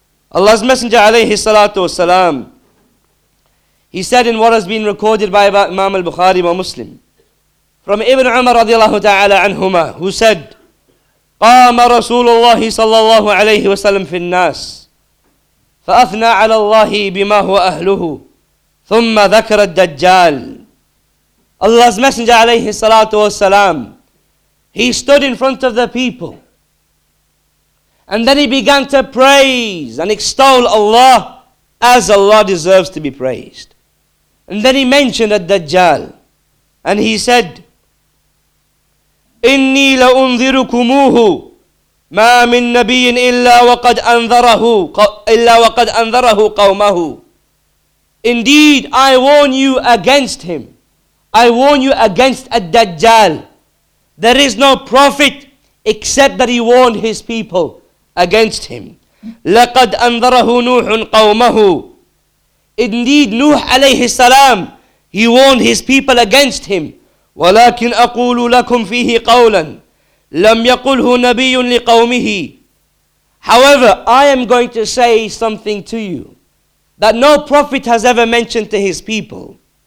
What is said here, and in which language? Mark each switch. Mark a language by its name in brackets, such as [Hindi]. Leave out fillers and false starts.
[English] Allah's Messenger alayhi salatu wasalam, he said in what has been recorded by Imam al-Bukhari wa Muslim, from Ibn Umar radiallahu ta'ala anhumah, who said, [Arabic] قام رسول الله صلى الله عليه وسلم في الناس فأثنى على الله بما هو أهله ثم ذكر الدجال. [English] Allah's Messenger alayhi salatu wasalam, he stood in front of the people and then he began to praise and extol Allah as Allah deserves to be praised. And then he mentioned الدجال and he said, [Arabic] إني لأنذركموه ما من نبي إلا وقد أنذره قومه. [English] Indeed, I warn you against him. I warn you against الدجال. There is no prophet except that he warned his people against him. [Arabic] لقد أنذره نوح قومه. [English] Indeed, Nuh عليه السلام, he warned his people against him. [Arabic] ولكن أقول لكم فيه قولا لم يقله نبي لقومه. [English] However, I am going to say something to you that no prophet has ever mentioned to his people.